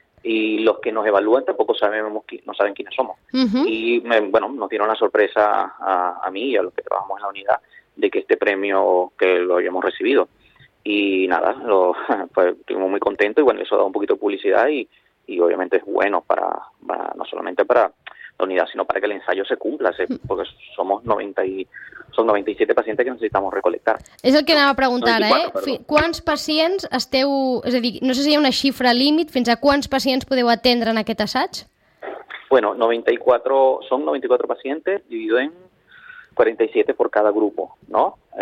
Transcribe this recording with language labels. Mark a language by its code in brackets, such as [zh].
[es] Y los que nos evalúan tampoco no saben quiénes somos. Y nos dieron la sorpresa a mí y a los que trabajamos en la unidad de que este premio que lo habíamos recibido. Y nada, estuvimos muy contentos y bueno, eso ha dado un poquito de publicidad y obviamente es bueno para no solamente para la unidad, sino para que el ensayo se cumpla, porque somos 90 y son 97 pacientes que necesitamos recolectar. [ca] És el que anava a preguntar, 94, ¿eh? Quants pacients esteu, és a dir, no sé si hi ha una xifra límit, fins a quants pacients podeu atendre en aquest assaig? [es] Bueno, 94, son 94 pacientes dividido en 47 por cada grupo, ¿no?